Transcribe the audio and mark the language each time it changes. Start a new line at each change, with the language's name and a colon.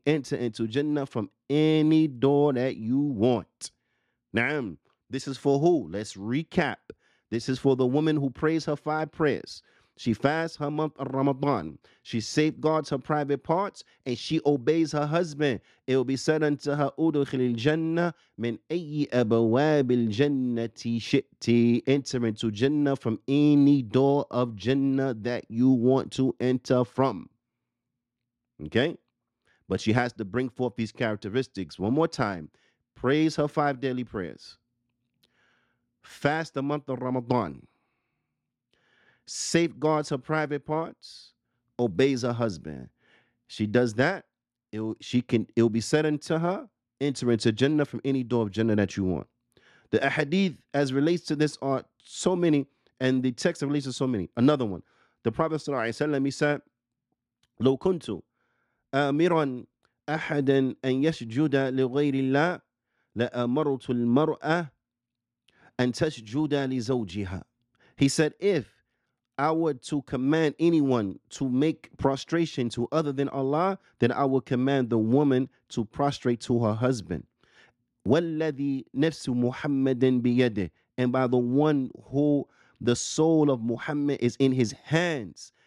English: Enter into Jannah from any door that you want. نعم. This is for who? Let's recap. This is for the woman who prays her five prayers. She fasts her month of Ramadan. She safeguards her private parts and she obeys her husband. It will be said unto her,
Arabic: أُدْخِلِ الْجَنَّةِ مِنْ أَيِّ أَبْوَابِ الْجَنَّةِ شِئْتِ.
English: Enter into Jannah from any door of Jannah that you want to enter from. Okay? But she has to bring forth these characteristics. One more time. Praise her five daily prayers. Fast the month of Ramadan. Safeguards her private parts, obeys her husband. She does that, it will be said unto her, enter into Jannah from any door of Jannah that you want. The ahadith as relates to this are so many, and the text relates to so many. Another one. The Prophet sallallahu alaihi wasallam, he said,
Arabic: لو كنت أمرا أحدا أن يسجد لغير الله لأمرت المرأة أن تسجد لزوجها.
English: He said, if I were to command anyone to make prostration to other than Allah, then I would command the woman to prostrate to her husband.
Arabic: وَالَّذِي نَفْسُ مُحَمَّدٍ بِيَدِهِ.
English: And by the one who the soul of Muhammad is in his hands.